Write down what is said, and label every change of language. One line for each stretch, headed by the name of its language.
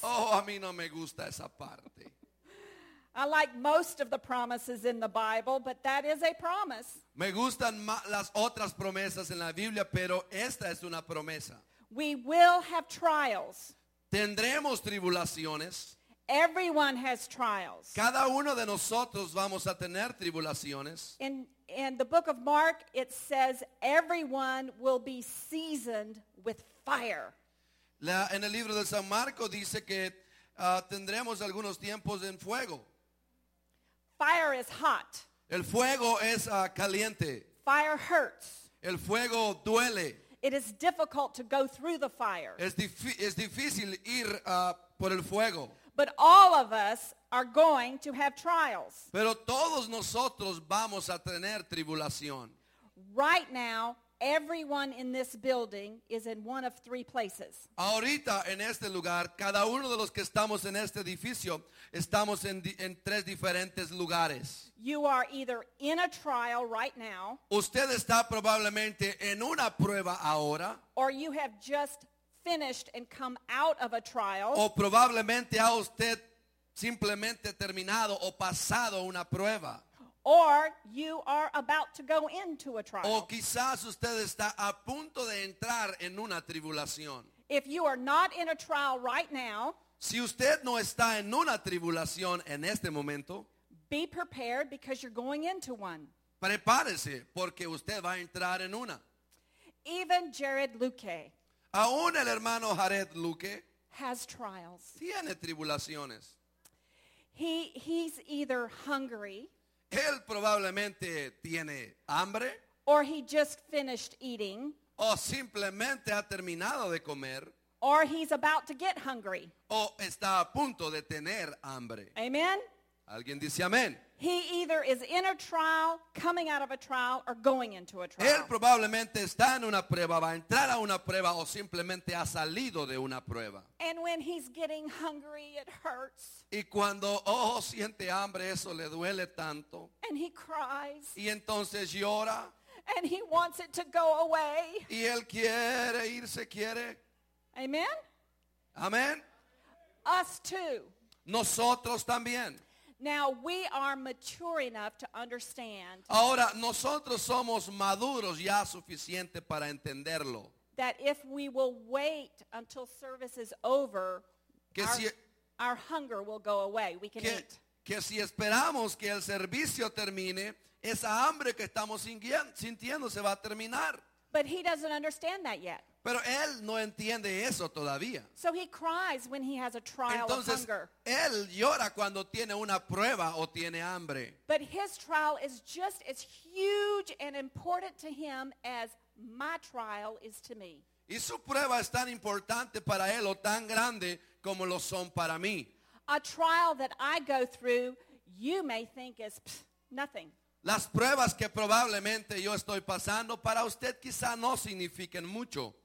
Spanish: Oh, a mí no me gusta esa parte.
English: I like most of the promises in the Bible, but that is a promise.
Spanish: Me gustan las otras promesas en la Biblia, pero esta es una promesa.
English: We will have trials.
Spanish: Tendremos tribulaciones.
English: Everyone has trials.
Spanish: Cada uno de nosotros vamos a tener tribulaciones.
English: In the book of Mark, it says everyone will be seasoned with fire.
Spanish: En el libro de San Marco dice que tendremos algunos tiempos en fuego.
English: Fire is hot.
Spanish: El fuego es caliente.
English: Fire hurts.
Spanish: El fuego duele.
English: It is difficult to go through the fire.
Spanish: Es difícil ir por el fuego.
English: But all of us are going to have trials.
Spanish: Pero todos nosotros vamos a tener tribulación.
English: Right now, everyone in this building is in one of three places.
Spanish: Ahorita en este lugar, cada uno de los que estamos en este edificio, estamos en tres diferentes lugares.
English: You are either in a trial right now.
Spanish: Usted está probablemente en una prueba ahora.
English: Or you have just finished and come out of a trial.
Spanish: O probablemente ha usted simplemente terminado o pasado una prueba.
English: Or you are about to go into a trial.
Spanish: O quizás usted está a punto de entrar en una tribulación.
English: If you are not in a trial right now,
Spanish: si usted no está en una tribulación en este momento,
English: be prepared because you're going into one.
Spanish: Prepárese porque usted va a entrar en una.
English: Even Jared Luque.
Spanish: Aún el hermano Jared Luque
English: has trials.
Spanish: Tiene tribulaciones.
English: He's either hungry.
Spanish: Él probablemente tiene hambre.
English: Or he just finished eating.
Spanish: O simplemente ha terminado de comer.
English: Or he's about to get hungry.
Spanish: O está a punto de tener hambre.
English: Amen.
Spanish: ¿Alguien dice amén?
English: He either is in a trial, coming out of a trial, or going into a trial.
Spanish: Él probablemente está en una prueba, va a entrar a una prueba, o simplemente ha salido de una prueba.
English: And when he's getting hungry, it hurts.
Spanish: Y cuando, oh, siente hambre, eso le duele tanto.
English: And he cries.
Spanish: Y entonces llora.
English: And he wants it to go away.
Spanish: Y él quiere irse, quiere.
English: Amen.
Spanish: Amen.
English: Us too.
Spanish: Nosotros también.
English: Now we are mature enough to understand.
Spanish: Ahora nosotros somos maduros ya suficiente para entenderlo.
English: That if we will wait until service is over, our hunger will go away. We can eat.
Spanish: Que si esperamos que el servicio termine, esa hambre que estamos sintiendo se va a terminar.
English: But he doesn't understand that yet.
Spanish: Pero él no entiende eso todavía.
English: So he cries when he has a trial.
Spanish: Entonces,
English: of hunger.
Spanish: Él llora cuando tiene una prueba o tiene hambre.
English: But his trial is just as huge and important to him as my trial is to me.
Spanish: Y su prueba es tan importante para él o tan grande como lo son para mí.
English: A trial that I go through, you may think is nothing.
Spanish: Las pruebas que probablemente yo estoy pasando para usted quizá no signifiquen mucho.